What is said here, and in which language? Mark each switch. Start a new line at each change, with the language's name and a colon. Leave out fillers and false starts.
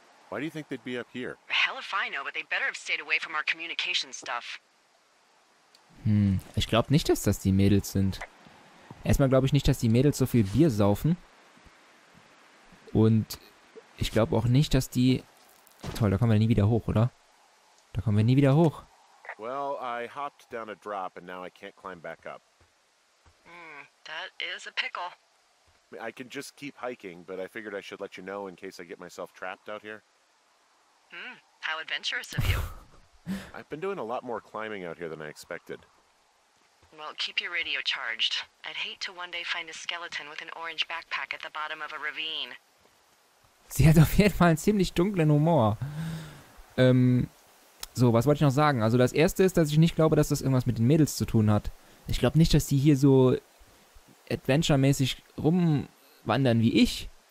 English: Why do you think they'd be up here? Hell if I know, but they better have stayed away from our communication stuff.
German: Ich glaube nicht, dass das die Mädels sind. Erstmal glaube ich nicht, dass die Mädels so viel Bier saufen. Und ich glaube auch nicht, dass die... Toll, da kommen wir nie wieder hoch, oder? Da kommen wir nie wieder hoch.
English: Well, I hopped down a drop and now I can't climb back up. That is a pickle. I can just keep hiking, but I figured I should let you know in case I get myself trapped out here. How adventurous of you. I've been doing a lot more climbing out here than I expected. Well, keep your radio charged. I'd hate to one day find a skeleton with an orange backpack at the bottom of a ravine.
German: Sie hat auf jeden Fall einen ziemlich dunklen Humor. So, was wollte ich noch sagen? Also das Erste ist, dass ich nicht glaube, dass das irgendwas mit den Mädels zu tun hat. Ich glaube nicht, dass die hier so adventure-mäßig rumwandern wie ich.